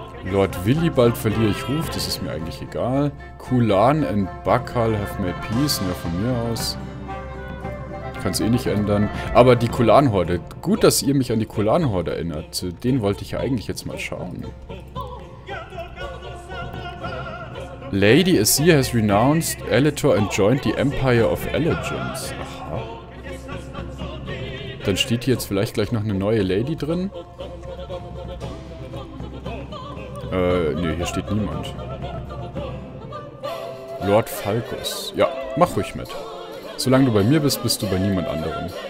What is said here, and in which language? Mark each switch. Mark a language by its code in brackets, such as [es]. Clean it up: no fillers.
[de] Lord Willibald verliere ich Ruf, das ist mir eigentlich egal. [en] Kulan and Bakal have made peace, [de] ja, von mir aus. Ich kann es eh nicht ändern. Aber die Kulan-Horde, gut, dass ihr mich an die Kulan-Horde erinnert. Den wollte ich ja eigentlich jetzt mal schauen. [en] Lady Azir has renounced Elator and joined the Empire of Allegiance. [de] Aha. Dann steht hier jetzt vielleicht gleich noch eine neue Lady drin. Ne, hier steht niemand. Lord Falkus. Ja, mach ruhig mit. Solange du bei mir bist, bist du bei niemand anderem.